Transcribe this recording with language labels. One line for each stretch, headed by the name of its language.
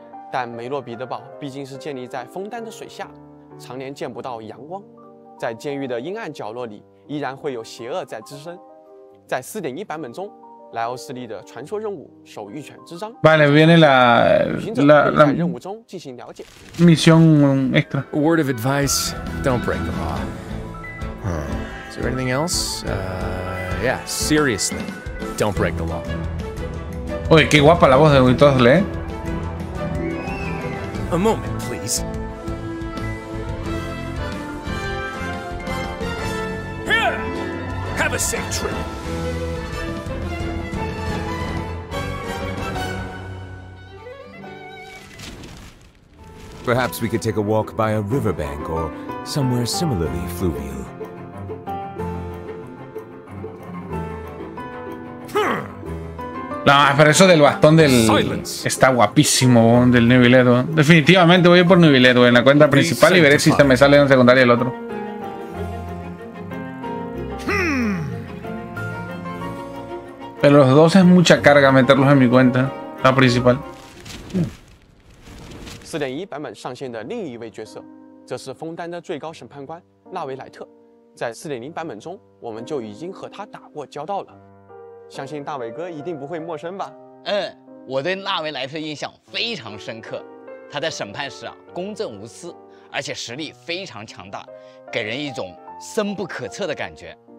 Chinese: 但梅洛彼得堡毕竟是建立在枫丹的水下，常年见不到阳光，在监狱的阴暗角落里依然会有邪恶在滋生。在 4.1 版本中，莱欧斯利的传说任务手谕犬之章。
Spanish: Vale, viene la
Chinese: 任务中进行了解。
Spanish: Misión extra.
English: A word of advice, don't break the law. Is there anything else? Yeah, seriously, don't break the law.
Spanish: Oye, qué guapa la voz de Wintosle, ¿eh?
English: A moment, please. Here! Have a safe trip. Perhaps we could take a walk by a riverbank or somewhere similarly fluvial.
Spanish: No, pero eso del bastón del...
English: Silence.
Spanish: Está guapísimo, del Neville Edwin. Definitivamente voy a ir por Neville Edwin en la cuenta principal y veré si se me sale en secundaria el otro. Pero los dos es mucha carga meterlos en mi cuenta, la principal.
Chinese: 4.1 版本上线的另一位角色，这是枫丹的最高审判官纳维莱特。在 4.0 版本中，我们就已经和他打过交道了。相信大伟哥一定不会陌生吧？嗯，我对纳维莱特印象非常深刻，他在审判时啊公正无私，而且实力非常强大，给人一种深不可测的感觉。